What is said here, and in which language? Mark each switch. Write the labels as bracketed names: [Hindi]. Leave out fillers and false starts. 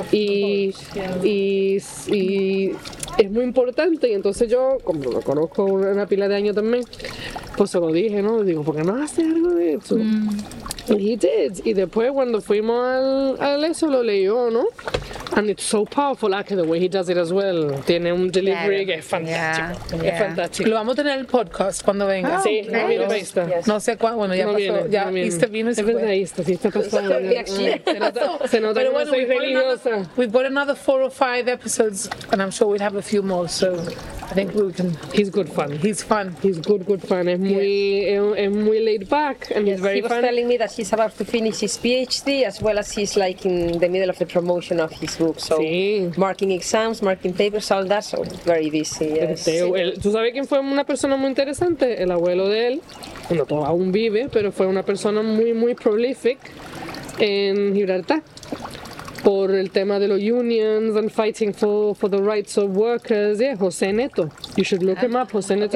[Spanish] Y es muy importante, y entonces yo, como lo conozco una pila de años también, pues se lo dije, ¿no? Digo, ¿por qué no hace algo de esto? [English] And he did. [Spanish] Y después cuando fuimos al eso lo leyó, ¿no? [English] And it's so powerful, like the way he does it as well. [Spanish] Tiene un delivery, que es fantástico. [English] Yeah. [Spanish] Es fantástico. Lo vamos a tener en el podcast cuando venga. Sí, no viene Easter. No sé cuándo, bueno, ya no pasó. Viene, ya, no viene. Easter vino y se fue. Es verdad, Easter, sí, está pasando. Se nota que no soy religiosa. [English] We've got another 4 or 5 episodes, and I'm sure we'll have a few more, so I think we can. He's good fun. He's fun. He's good fun. [Spanish] Es muy, yeah, es muy [English] laid back, and yes, he's very fun. He was fun telling me that he's about to finish his PhD, as well as he's like in the middle of the promotion of his book. So [Spanish] sí, [English] marking exams, marking papers, all that. So very busy. Yes. [Spanish] ¿Tú sabes quién fue una persona muy interesante? El abuelo de él. Bueno, todavía aún vive, pero fue una persona muy, muy prolific en Gibraltar. Por el tema de los [English] unions and fighting for the rights of workers. Yeah, José Neto. You should look him up. José Neto,